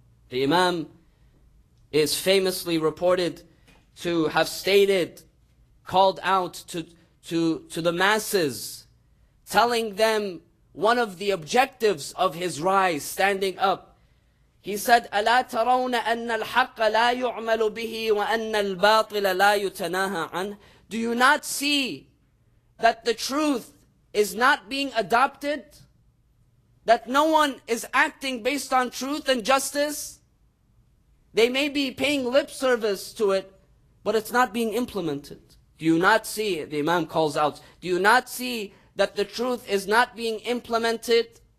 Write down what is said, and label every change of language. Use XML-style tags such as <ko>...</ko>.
<en>The Imam is famously reported to have stated, called out to the masses, telling them one of the objectives of his rise, standing up. He said,</en> <ar>أَلَا تَرَوْنَ أَنَّ الْحَقَّ لَا يُعْمَلُ بِهِ وَأَنَّ الْبَاطِلَ لَا يُتَنَاهَا عَنْهِ.</ar> <en>Do you not see that the truth is not being adopted? That no one is acting based on truth and justice? They may be paying lip service to it, but it's not being implemented. Do you not see, the Imam calls out, do you not see that the truth is not being implemented?</en>